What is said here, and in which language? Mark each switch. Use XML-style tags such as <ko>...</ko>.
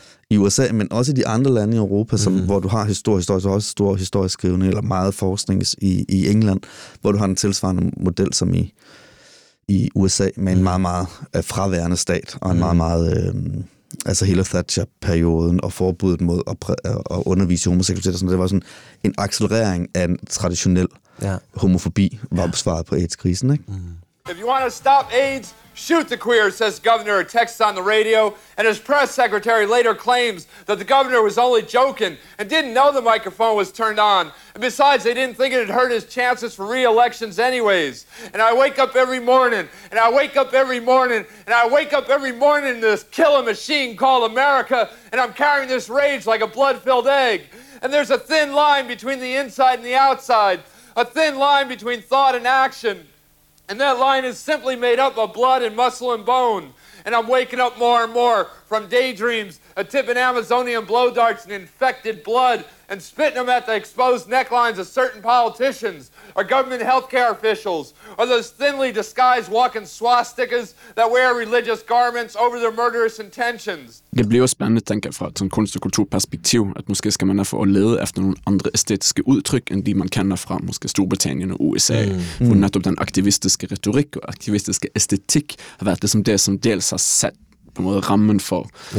<da>i USA, men også i de andre lande i Europa, hvor du har historisk, også stor historisk skrivning, eller meget forskning i England, hvor du har en tilsvarende model som i USA, med en meget, meget fraværende stat, og en meget, meget, altså hele Thatcher-perioden, og forbuddet mod at undervise i homoseksualitet, så det var sådan en accelerering af en traditionel homofobi, var besvaret på AIDS-krisen, ikke?</da> <en>If you want to stop AIDS, shoot the queers, says governor, texts on the radio, and his press secretary later claims that the governor was only joking and didn't know the microphone was turned on. And besides, they didn't think it had hurt his chances for re-elections anyways. And I wake up every morning, and I wake up every morning, and I wake up every morning in this killer machine called America, and I'm carrying this rage like a blood-filled egg. And there's a thin line between the inside and the outside, a thin line between thought and action. And that line is simply made up of blood and muscle and bone. And I'm waking up more and more from daydreams, a tipping Amazonian blow darts and infected blood and spitting them at the exposed necklines of certain politicians or government healthcare officials or those thinly disguised walking swastikas that wear religious garments over their murderous intentions.</en> <da>Det bliver også spændende, tænker jeg, fra et kunst- og kulturperspektiv, at måske skal man derfor lede efter nogle andre æstetiske udtryk, end de man kender fra måske Storbritannien og USA, hvor netop den aktivistiske retorik og aktivistiske æstetik har været ligesom det, som dels har sat på en måde rammen for</da>